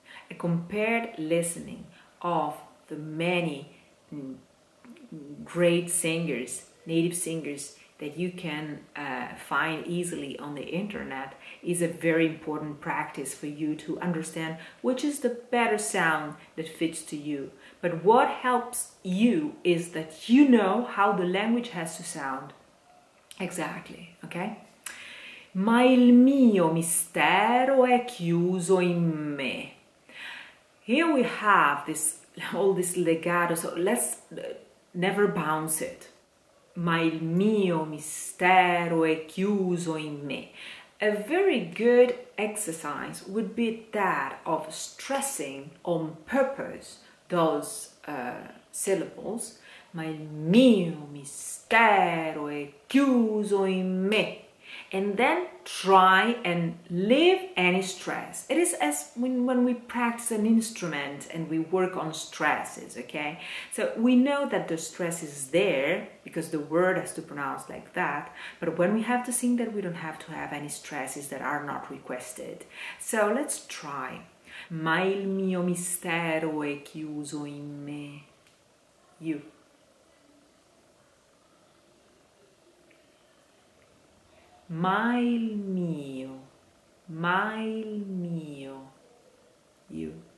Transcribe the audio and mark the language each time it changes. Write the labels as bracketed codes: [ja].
[en] A compared listening of the many great singers, native singers, that you can find easily on the internet is a very important practice for you to understand which is the better sound that fits to you. But what helps you is that you know how the language has to sound. Exactly, okay? [it] Ma il mio mistero è chiuso in me. [en] Here we have this, all this legato, so let's never bounce it. [it] Ma il mio mistero è chiuso in me. [en] A very good exercise would be that of stressing on purpose those syllables. [it] Ma il mio mistero è chiuso in me. [en] And then try and leave any stress. It is as when we practice an instrument and we work on stresses, okay? So we know that the stress is there because the word has to pronounce like that, but when we have to sing that, we don't have to have any stresses that are not requested. So let's try. [it] Ma il mio mistero è chiuso in me. [en] You. [it] Ma il mio, ma il mio, you.